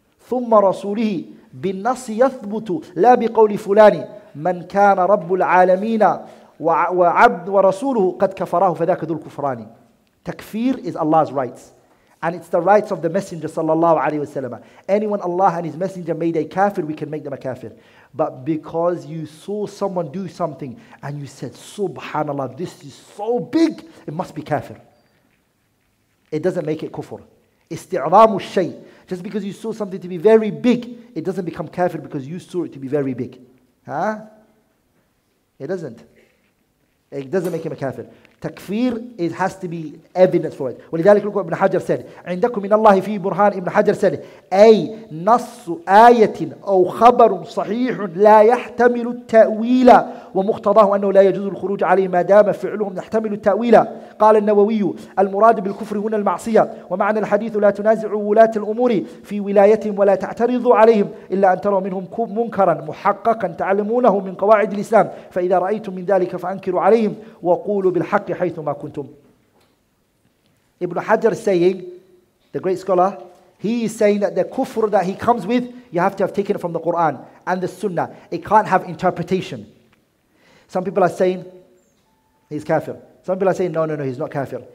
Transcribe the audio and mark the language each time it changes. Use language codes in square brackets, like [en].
[ar] ثم رسوله بالنص يثبت لا بقول فلان من كان رب العالمين وعبد ورسوله قد كفراه فذاك ذو الكفران. [en] Takfir is Allah's rights, and it's the rights of the Messenger sallallahu alaihi wasallam. Anyone Allah and His Messenger made a kafir, we can make them a kafir. But because you saw someone do something and you said, subhanallah, this is so big, it must be kafir. It doesn't make it kufr. [ar] Isti'zamu shay. [en] Just because you saw something to be very big, it doesn't become kafir because you saw it to be very big. Huh? It doesn't. It doesn't make him a kafir. Takfir is, has to be evidence for it. [ar] ولذلك [en] look what Ibn Hajar said. [ar] عندكم من الله فيه برهان. [en] Ibn Hajar said, [ar] أي نص آية أو خبر صحيح لا يحتمل التأويل ومقتضاه أنه لا يجوز الخروج عليه ما دام فعلهم يحتمل التأويل. قال النووي المراد بالكفر هنا المعصية ومعنى الحديث لا تنازع ولاة الأمور في ولايتهم ولا تعترض عليهم إلا أن تروا منهم منكرا محققا تعلمونه من قواعد الإسلام فإذا رأيتم من ذلك فأنكروا عليهم وقولوا بالحق. [en] Ibn Hajar is saying, the great scholar, he is saying that the kufr that he comes with You have to have taken it from the Quran and the Sunnah. It can't have interpretation. Some people are saying he's kafir. Some people are saying, no, he's not kafir.